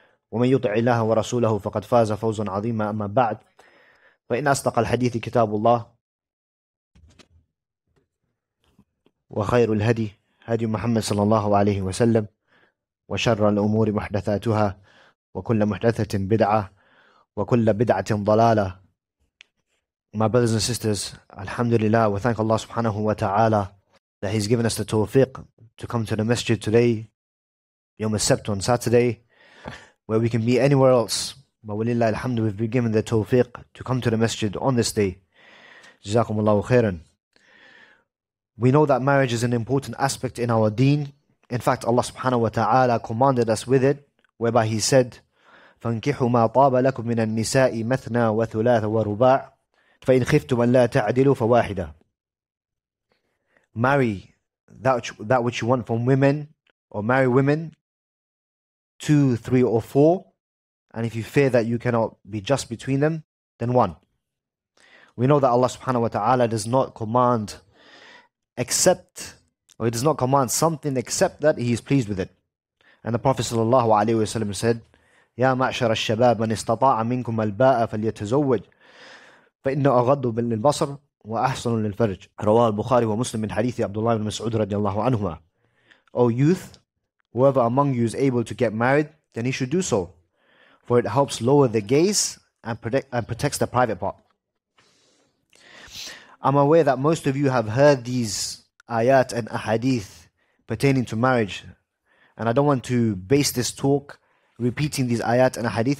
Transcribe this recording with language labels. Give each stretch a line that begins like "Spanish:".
Arabic: ومن يطع الله ورسوله فقد فاز فوزا عظيما أما بعد فإن أصدق الحديث كتاب الله وخير الهدي هدي محمد صلى الله عليه وسلم وشر الأمور محدثاتها وكل محدثة بدعة وكل بدعة ضلالة.
English: My brothers and sisters, alhamdulillah, we thank Allah subhanahu wa ta'ala that He's given us the tawfiq to come to the masjid today,
Arabic: Yom al-Sabt
English: on Saturday, where we can be anywhere else. But
Arabic: walillah alhamdu,
English: we've been given the tawfiq to come to the masjid on this day.
Arabic: Jazakumullahu khairan.
English: We know that marriage is an important aspect in our deen. In fact, Allah subhanahu wa ta'ala commanded us with it, whereby He said,
Arabic: فَانْكِحُوا مَا طَابَ لَكُمْ مِنَ النِّسَاءِ مَثْنَى وَثُلَاثَ وَرُبَاعَ فَإِنْ خِفْتُمْ أَنْ لَا تَعْدِلُوا فَوَاحِدَةً.
English: Marry that which you want from women, or marry women, 2, 3, or 4, and if you fear that you cannot be just between them, then 1. We know that Allah subhanahu wa ta'ala does not command except, or He does not command something except that He is pleased with it. And the Prophet sallallahu alayhi wa sallam said,
Arabic: يَا مَعْشَرَ الشَّبَابَ مَنْ اسْتَطَاعَ مِنْكُمْ الْبَاءَ فَلْيَتَزَوَّجْ فَإِنَّ أَغَضُّ بِالْبَصَرِ وَأَحْسَنُ لِلْفَرْجِ رواه البخاري ومسلم من حديث عبد الله بن مسعود رضي الله عنهما.
English: O youth, whoever among you is able to get married, then he should do so, for it helps lower the gaze and protects the private part. I'm aware that most of you have heard these ayat and ahadith pertaining to marriage, and I don't want to base this talk repeating these ayat and ahadith.